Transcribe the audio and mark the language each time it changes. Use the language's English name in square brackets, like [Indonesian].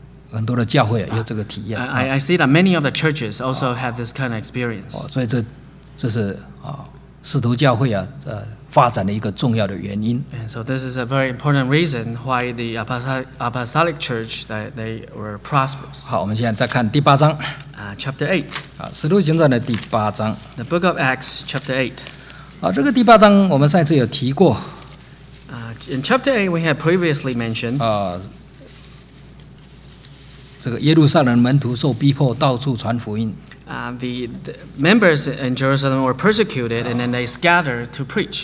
[English] I see that many of the churches also have this kind of experience. [Chinese] 所以这是使徒教会发展的一个重要的原因。 [English] And so this is a very important reason why the apostolic church that they were prosperous. [Chinese] 好，我们现在再看第八章。 [English] Chapter 8. [Chinese] 使徒行传的第八章。 [English] The Book of Acts, Chapter 8. [Chinese] 这个第八章我们上一次有提过。 [English] In Chapter 8, we had previously mentioned. [Chinese] 这个耶路撒冷门徒受逼迫到处传福音 [English] the members in Jerusalem were persecuted and then they scattered to preach